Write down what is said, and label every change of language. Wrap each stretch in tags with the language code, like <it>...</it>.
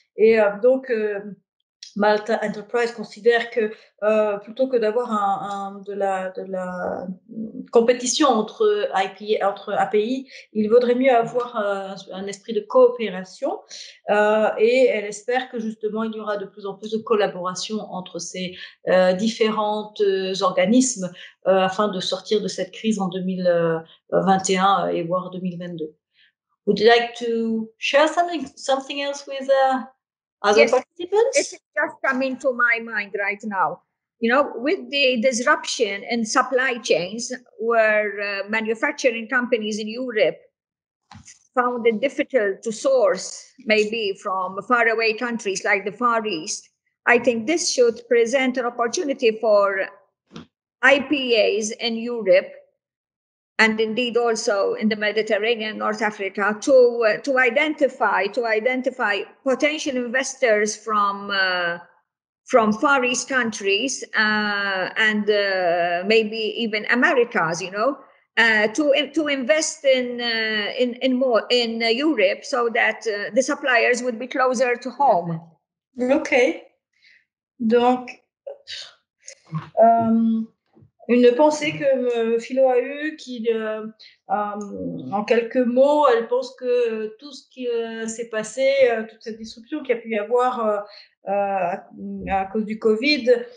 <fr>Et donc, Malta Enterprise considère que plutôt que d'avoir de la compétition entre API, il vaudrait mieux avoir un esprit de coopération. Et elle espère que justement, il y aura de plus en plus de collaboration entre ces différents organismes afin de sortir de cette crise en 2021 et voire 2022.</fr> <en>Would you like to share something else with It's just coming to my mind right now. You know, with the disruption in supply chains, where manufacturing companies in Europe found it difficult to source maybe from faraway countries like the Far East, I think this should present an opportunity for IPAs in Europe, and indeed also in the Mediterranean, North Africa, to identify potential investors from Far East countries and maybe even Americas, you know, to invest in Europe, so that the suppliers would be closer to home. Okay.</en> <fr>Donc, une pensée que Philo a eue, qui, en quelques mots, elle pense que tout ce qui s'est passé, toute cette disruption qu'il y a pu y avoir à cause du Covid,</fr>